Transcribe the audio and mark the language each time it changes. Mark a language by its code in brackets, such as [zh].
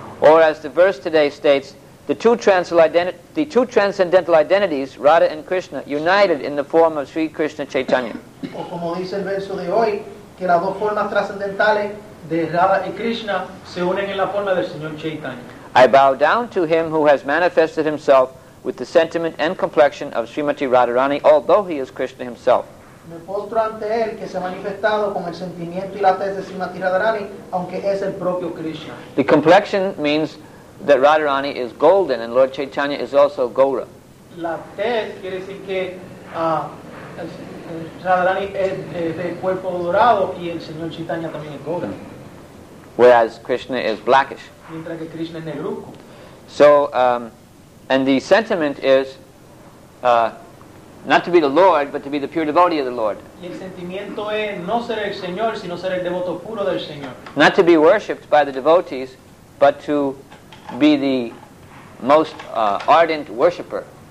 [en] Or as the verse today states, the two transcendental identities, Radha and Krishna, united in the form of Sri Krishna Chaitanya. [es] O como dice el verso de hoy, que las dos formas trascendentales de Radha y Krishna se unen en la forma del señor Chaitanya. [en] I bow down to him who has manifested himself with the sentiment and complexion of Srimati Radharani, although he is Krishna himself. [es] Me postro ante él que se ha manifestado con el sentimiento y la tez de Srimati Radharani, aunque es el propio Krishna. [en] The complexion means that Radharani is golden and Lord Chaitanya is also Gaura. [es] La tez quiere decir que Radharani es de cuerpo dorado y el señor Chaitanya también es Gaura. [en] Whereas Krishna is blackish. [es] Mientras que Krishna es negruco. [en] So, and the sentiment is not to be the Lord, but to be the pure devotee of the Lord. [es] Y el sentimiento es no ser el Señor, sino ser el devoto puro del Señor. [en] Not to be worshipped by the devotees, but to be the most ardent worshipper.